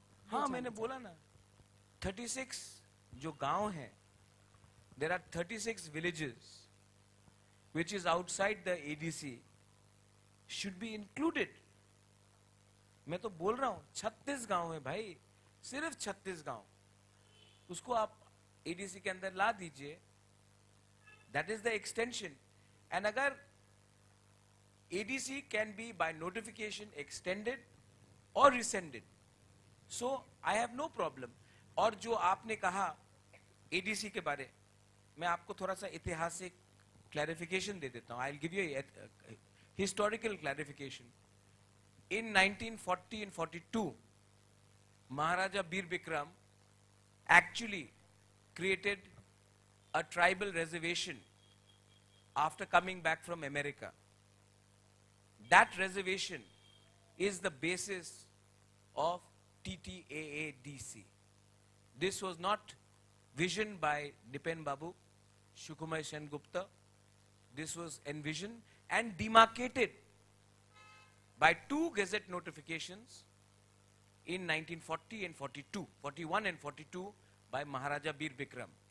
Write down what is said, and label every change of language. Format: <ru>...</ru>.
<hi>হ্যাঁ, মানে বলা না 36 জো গাঁও হ্যায়,</hi> <en>There are 36 villages which is outside the ADC should be included.</en> <hi>मैं तो बोल रहा हूँ 36 गांव है भाई, सिर्फ 36 गांव, उसको आप ADC के अंदर ला दीजिए,</hi> <en>that is the extension. And अगर ADC can be by notification extended or rescinded, so I have no problem.</en> <hi>और जो आपने कहा ADC के बारे, मैं आपको थोड़ा सा ऐतिहासिक क्लैरिफिकेशन दे देता हूँ,</hi> <en>I will give you historical clarification. In 1940 and 42 Maharaja Bir Bikram actually created a tribal reservation after coming back from America. That reservation is the basis of TTAADC. This was not visioned by Dipen Babu, Sukumar Sen Gupta. This was envisioned and demarcated by two gazette notifications in 1940 and 42, 41 and 42 by Maharaja Bir Bikram.</en>